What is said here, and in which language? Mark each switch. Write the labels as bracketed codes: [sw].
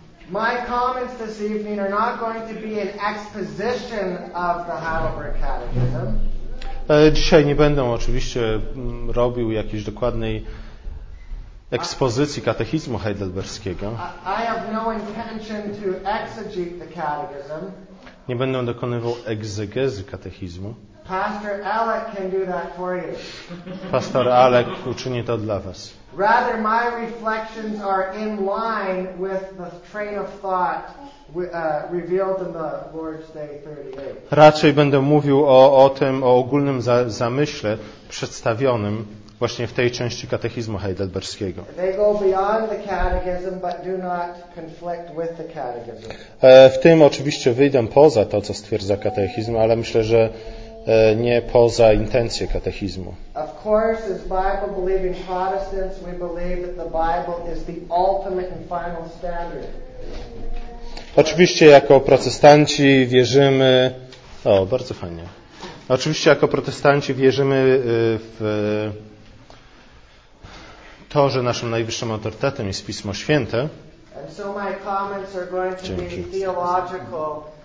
[en] My comments this evening are not going to be an exposition of the Heidelberg Catechism. [pl] Dzisiaj nie będę oczywiście robił jakiejś dokładnej ekspozycji katechizmu heidelberskiego. [en] I have no intention to exegete the catechism. [pl] Nie będę dokonywał egzegezy katechizmu. [en] Pastor Alec can do that for you. [pl] Pastor Alec uczyni to dla was. [en] Rather, my reflections are in line with the train of thought revealed in the Lord's Day 38. [pl] Raczej będę mówił o ogólnym zamyśle przedstawionym właśnie w tej części katechizmu heidelberskiego. [en] They go beyond the catechism, but do not conflict with the catechism. [pl] W tym oczywiście wyjdę poza to, co stwierdza katechizm, ale myślę, że nie poza intencje katechizmu. [en] Of course, as Bible-believing Protestants, we believe that the Bible is the ultimate and final standard. [pl] Oczywiście jako protestanci wierzymy. O, bardzo fajnie. Oczywiście jako protestanci wierzymy w to, że naszym najwyższym autorytetem jest Pismo Święte. [en] And so my comments are going to be theological.